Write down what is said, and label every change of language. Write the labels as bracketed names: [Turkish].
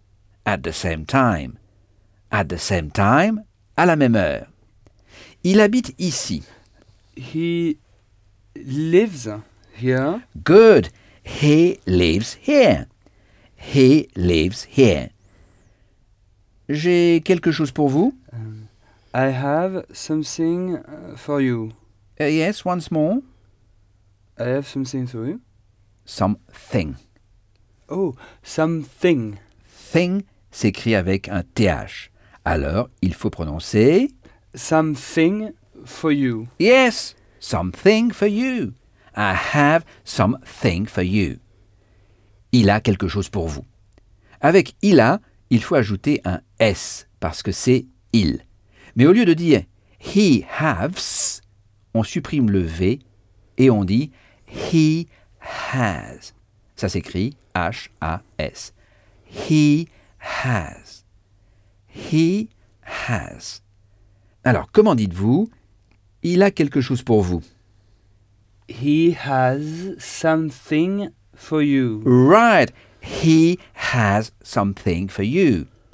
[English] « At the same time ».« At the same time », [French] à la même heure. Il habite ici. [English] « He lives here ». Good. « He lives here ». He lives here. [French] J'ai quelque chose pour vous. [English] I have something for you. Yes, once more. I have something for you. Something. Oh, something. [French] Thing s'écrit avec un TH. Alors, il faut prononcer... [English] Something for you. Yes, something for you. I have something for you. [French] Il a quelque chose pour vous. Avec « il a », il faut ajouter un « s » parce que c'est « il ». Mais au lieu de dire « he has », on supprime le « v » et on dit « he has ». Ça s'écrit « h-a-s ».« He has ».« He has ». Alors, comment dites-vous « il a quelque chose pour vous » ? [English] « He has something for you. » Right. He has something for you.